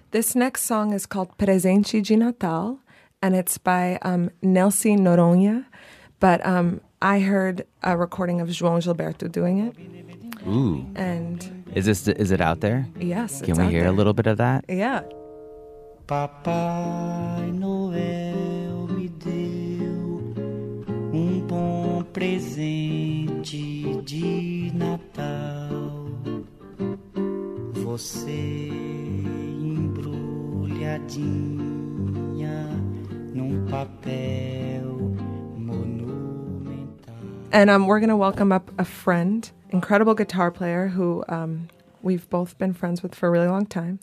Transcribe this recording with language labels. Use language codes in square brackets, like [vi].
[en] This next song is called Presente de Natal, and it's by Nelson Noronha. But I heard a recording of João Gilberto doing it. Ooh. And is it out there? Yes. Can we hear a little bit of that? Yeah. [pt] Papai Noel me deu um bom presente de Natal. Você embrulhadinha num papel monumental. [en] And we're going to welcome up a friend, incredible guitar player who we've both been friends with for a really long time.